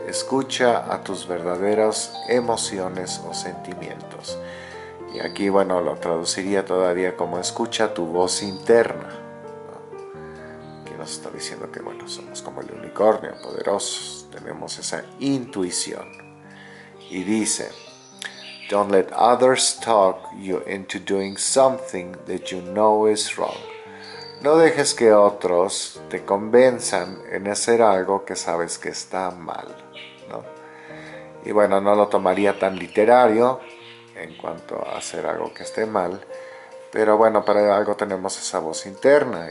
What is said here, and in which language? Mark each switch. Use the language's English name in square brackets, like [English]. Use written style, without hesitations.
[Spanish] Escucha a tus verdaderas emociones o sentimientos. Y aquí, bueno, lo traduciría todavía como escucha tu voz interna. Está diciendo que, bueno, somos como el unicornio, poderosos, tenemos esa intuición. Y dice: [English] don't let others talk you into doing something that you know is wrong. [Spanish] No dejes que otros te convenzan en hacer algo que sabes que está mal, ¿no? Y bueno, no lo tomaría tan literario en cuanto a hacer algo que esté mal, pero bueno, para algo tenemos esa voz interna.